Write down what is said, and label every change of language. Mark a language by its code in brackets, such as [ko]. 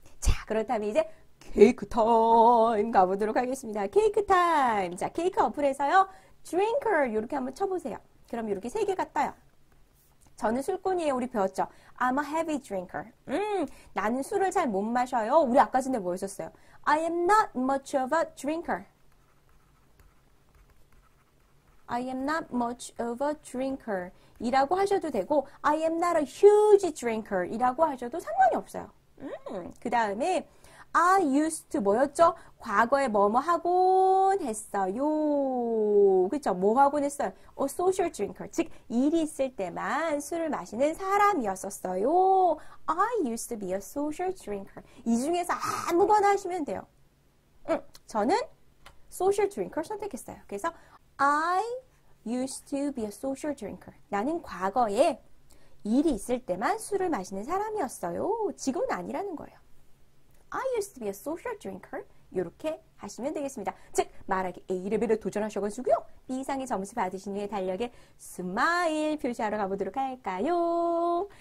[ko] 자, 그렇다면 이제 케이크 타임 가보도록 하겠습니다. 케이크 타임. 자, 케이크 어플에서요. drinker 이렇게 한번 쳐보세요. 그럼 이렇게 세 개가 떠요. 저는 술꾼이에요. 우리 배웠죠? [en] I'm a heavy drinker. [ko] 나는 술을 잘못 마셔요. 우리 아까 전에 뭐였었어요? [en] I am not much of a drinker. I am not much of a drinker. [ko] 이라고 하셔도 되고 [en] I am not a huge drinker. [ko] 이라고 하셔도 상관이 없어요. 그 다음에 I used to 뭐였죠? 과거에 뭐뭐 하곤 했어요. 그쵸? 뭐 하곤 했어요? A social drinker. 즉, 일이 있을 때만 술을 마시는 사람이었었어요. [en] I used to be a social drinker. [ko] 이 중에서 아무거나 하시면 돼요. 저는 social drinker 선택했어요. [en] 그래서 I used to be a social drinker. [ko] 나는 과거에 일이 있을 때만 술을 마시는 사람이었어요. 지금은 아니라는 거예요. [en] I used to be a social drinker. [ko] 이렇게 하시면 되겠습니다. 즉, 말하기 A레벨에 도전하셔가지고요. B 이상의 점수 받으신 후에 달력에 스마일 표시하러 가보도록 할까요?